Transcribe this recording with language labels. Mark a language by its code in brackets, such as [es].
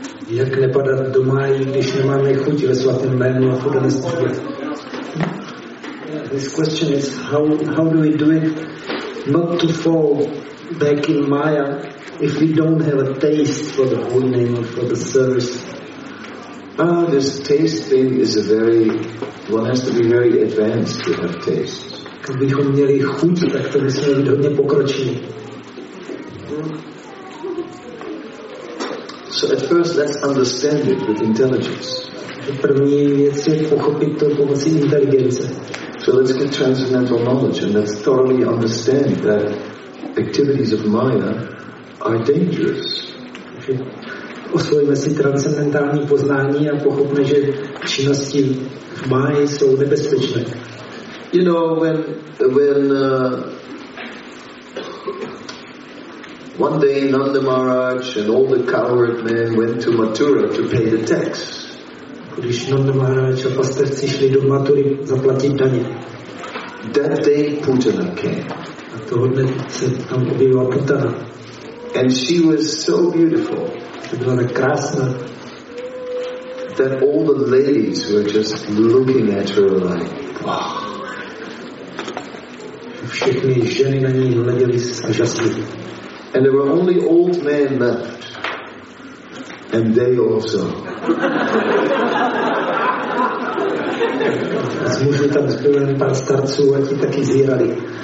[cs] Jak nepadat doma, když nemáme chuť ve svatém jménu a chodem spíšit? [en] This question is how do we do it not to fall back in Maya if we don't have a taste for the holy name or for the service? Oh, this taste thing is a very, one has to be very advanced to have taste. [cs] Kdybychom měli chuť, tak to musíme být hodně pokročili. [en] So at first let's understand it with intelligence. [cs] To první věc je pochopit to pomocí inteligence. [en] So let's get transcendental knowledge and let's thoroughly understand that activities of Maya are dangerous. [cs] Osvojíme si transcendentální poznání a pochopíme, že činnosti v Maji jsou nebezpečné. [en] You know, when one day Nanda Maharaj and all the coward men went to Mathura to pay the tax. [cs] Když Nanda Maharaj a pastevci šli do Mathury zaplatit daně. [en] That day Putana came. [cs] A toho dne se tam objevila Putana. [en] And she was so beautiful. [cs] Byla tak krásná. [en] That all the ladies were just looking at her like, wow. [cs] Všechny ženy na ní hleděly úžasně. [en] And there were only old men left. And they also. [cs] A z mužů tam zbyl jen pár starců a ti taky zírali.